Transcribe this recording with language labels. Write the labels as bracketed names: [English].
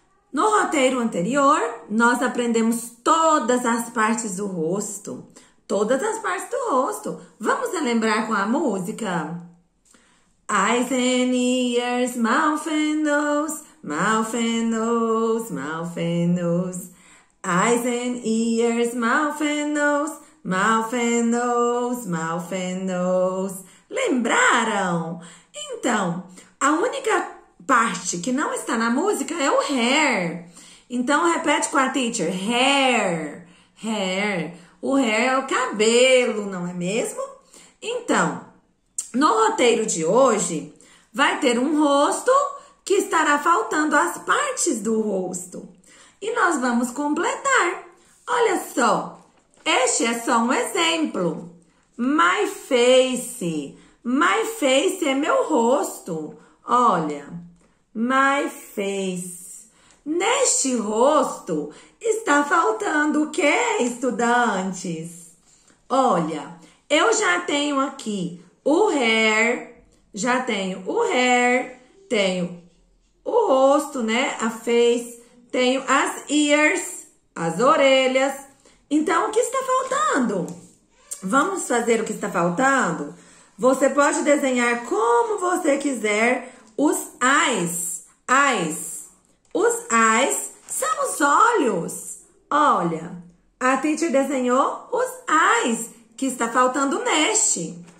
[Portuguese] No roteiro anterior, nós aprendemos todas as partes do rosto. Todas as partes do rosto. Vamos relembrar com a música? [English] Eyes and ears, mouth and nose, mouth and nose, mouth and nose. Eyes and ears, mouth and nose, mouth and nose, mouth and nose. [Portuguese] Lembraram? Então, a única parte que não está na música é o hair. Então, repete com a teacher: hair, hair. O hair é o cabelo, não é mesmo? Então, no roteiro de hoje, vai ter um rosto que estará faltando as partes do rosto. E nós vamos completar. Olha só, este é só um exemplo. [English] My face [Portuguese] é meu rosto. Olha, [English] my face. [Portuguese] Neste rosto está faltando o quê, estudantes? Olha, eu já tenho aqui o hair, já tenho o hair, tenho o rosto, né? A face. Tenho as ears, as orelhas. Então, o que está faltando? Vamos fazer o que está faltando? Você pode desenhar como você quiser os eyes. Eyes. Os eyes são os olhos. Olha, a teacher desenhou os eyes que está faltando neste.